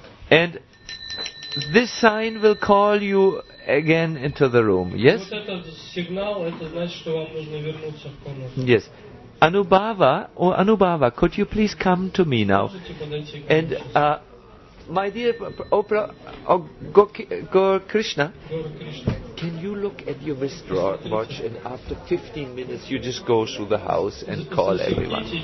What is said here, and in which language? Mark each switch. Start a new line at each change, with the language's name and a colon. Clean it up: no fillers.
English: And this sign will call you again into the room. Yes?
Russian: Вот этот сигнал, это значит, что вам нужно вернуться в комнату.
English: Yes. Anubhava, could you please come to me now? And my dear Gaur Krishna, can you look at your wristwatch and after 15 minutes you just go through the house and call everyone?